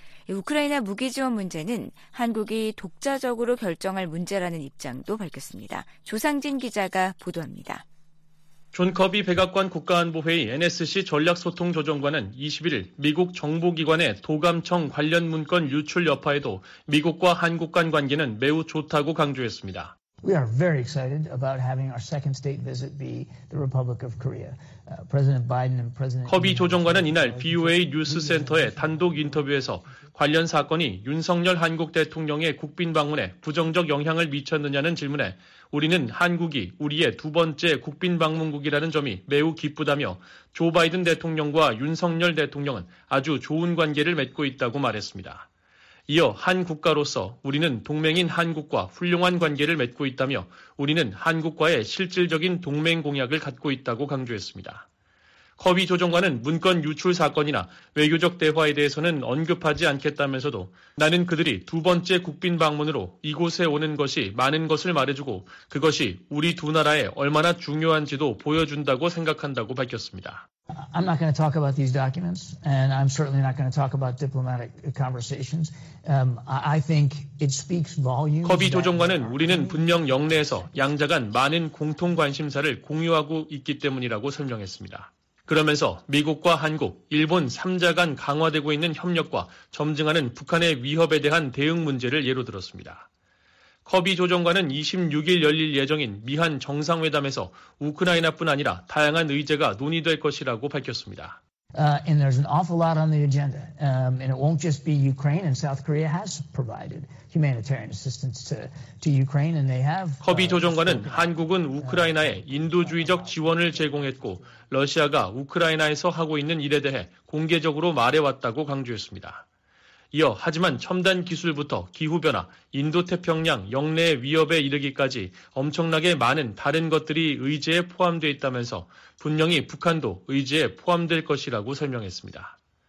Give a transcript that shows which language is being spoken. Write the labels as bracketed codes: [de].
[ko] 우크라이나 무기 지원 문제는 한국이 독자적으로 결정할 문제라는 입장도 밝혔습니다. 조상진 기자가 보도합니다. 존 커비 백악관 국가안보회의 NSC 전략소통조정관은 21일 미국 정보기관의 도감청 관련 문건 유출 여파에도 미국과 한국 간 관계는 매우 좋다고 강조했습니다. [en] We are very excited about having our second state visit be the Republic of Korea. President Biden and President [ko] 커비 조정관은 이날 BOA 뉴스 센터의 단독 인터뷰에서 관련 사건이 윤석열 한국 대통령의 국빈 방문에 부정적 영향을 미쳤느냐는 질문에 우리는 한국이 우리의 두 번째 국빈 방문국이라는 점이 매우 기쁘다며 조 바이든 대통령과 윤석열 대통령은 아주 좋은 관계를 맺고 있다고 말했습니다. 이어 한 국가로서 우리는 동맹인 한국과 훌륭한 관계를 맺고 있다며 우리는 한국과의 실질적인 동맹 공약을 갖고 있다고 강조했습니다. 커비 조정관은 문건 유출 사건이나 외교적 대화에 대해서는 언급하지 않겠다면서도 나는 그들이 두 번째 국빈 방문으로 이곳에 오는 것이 많은 것을 말해주고 그것이 우리 두 나라에 얼마나 중요한지도 보여준다고 생각한다고 밝혔습니다. [en] I'm not going to talk about these documents and I'm certainly not going to talk about diplomatic conversations. I think it speaks volumes. [ko] 커비 조정관은 우리는 분명 영내에서 양자 간 많은 공통 관심사를 공유하고 있기 때문이라고 설명했습니다. 그러면서 미국과 한국, 일본 3자 간 강화되고 있는 협력과 점증하는 북한의 위협에 대한 대응 문제를 예로 들었습니다. 커비 조정관은 26일 열릴 예정인 미한 정상회담에서 우크라이나뿐 아니라 다양한 의제가 논의될 것이라고 밝혔습니다. [en] And there's an awful lot on the agenda. And it won't just be Ukraine. And South Korea has provided humanitarian assistance to Ukraine, and they have. [ko] 커비 조정관은 한국은 우크라이나에 인도주의적 지원을 제공했고, 러시아가 우크라이나에서 하고 있는 일에 대해 공개적으로 말해왔다고 강조했습니다. 이어 하지만 첨단 기술부터 기후변화, 인도태평양 영내 위협에 이르기까지 엄청나게 많은 다른 것들이 의제에 포함되어 있다면서 분명히 북한도 의제에 포함될 것이라고 설명했습니다.